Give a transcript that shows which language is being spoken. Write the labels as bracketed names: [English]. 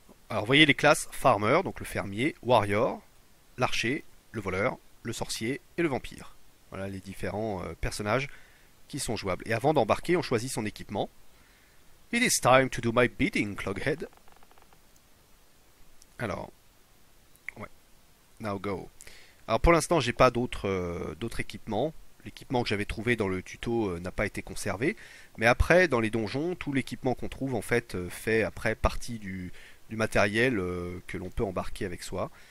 [French] Alors, vous voyez les classes Farmer, donc le fermier, Warrior, l'archer, le voleur, le sorcier et le vampire. Voilà les différents personnages qui sont jouables. Et avant d'embarquer, on choisit son équipement. [English] It is time to do my bidding, Cloghead. Alors. Now go. [French] Alors pour l'instant, j'ai pas d'autres équipements. L'équipement que j'avais trouvé dans le tuto n'a pas été conservé. Mais après, dans les donjons, tout l'équipement qu'on trouve en fait fait après partie du matériel que l'on peut embarquer avec soi.